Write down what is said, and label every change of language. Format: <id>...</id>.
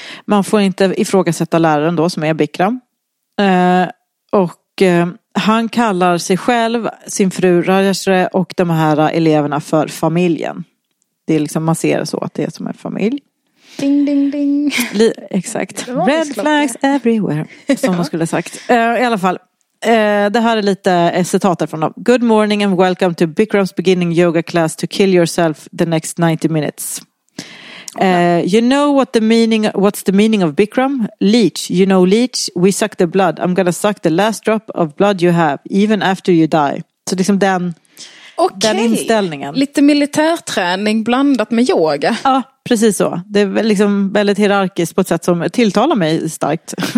<sv>Man får inte ifrågasätta läraren då som är Bikram. Och han kallar sig själv, sin fru Rajashree och de här eleverna för familjen. Det är liksom, man ser så att det är som en familj. Ding, ding, ding. Exakt.</sv> <en>Red flags everywhere,</en> <sv>som man skulle ha sagt. I alla fall, det här är lite citater från dem.</sv> <en>Good morning and welcome to Bikram's beginning yoga class to kill yourself the next 90 minutes. You know what the meaning? What's the meaning of Bikram? Leech, you know leech. We suck the blood. I'm gonna suck the last drop of blood you have, even after you die.</en> <sv>Så liksom den, okay, den inställningen. Lite militärträning blandat med yoga. Ja, precis så. Det är liksom väldigt hierarkiskt på ett sätt som tilltalar mig starkt.</sv>